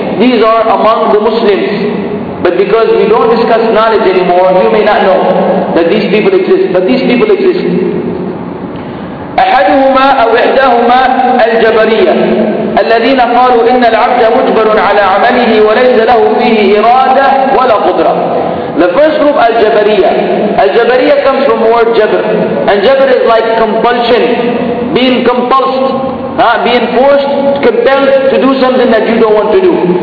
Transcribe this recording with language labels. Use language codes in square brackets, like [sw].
[en] These are among the Muslims. But because we don't discuss knowledge anymore, you may not know that these people exist. But these people exist. [ar] أحدهما أو إحداهما الجبرية الذين قالوا إن العبد مجبر على عمله وليس له فيه إرادة ولا قدرة. [en] The first group, Al-Jabariyya. Al-Jabariyya comes from the word Jabr. And Jabr is like compulsion, being compulsed, being forced, compelled to do something that you don't want to do.